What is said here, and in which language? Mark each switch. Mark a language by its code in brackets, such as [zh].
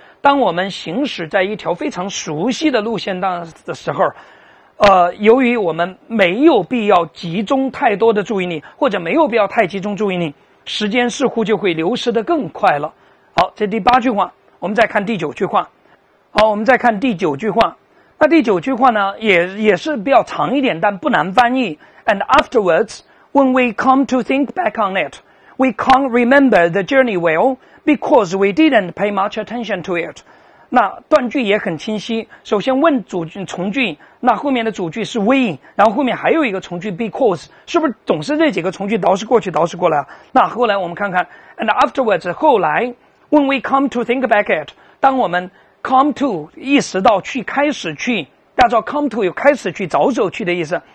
[zh] 当我们行驶在一条非常熟悉的路线当的时候，由于我们没有必要集中太多的注意力，或者没有必要太集中注意力，时间似乎就会流失得更快了。好，这第八句话，我们再看第九句话。好，我们再看第九句话。那第九句话呢，也是比较长一点，但不难翻译。 [en] And afterwards. When we come to think back on it, we can't remember the journey well because we didn't pay much attention to it. [zh] 那断句也很清晰。首先问主句从句，那后面的主句是 we， 然后后面还有一个从句 because， 是不是总是这几个从句倒饬过去倒饬过来？那后来我们看看 ， [en] and afterwards [zh] 后来 ， [en] when we come to think back it， [zh] 当我们 come to 意识到去开始去，大家知道 come to 有开始去着手去的意思。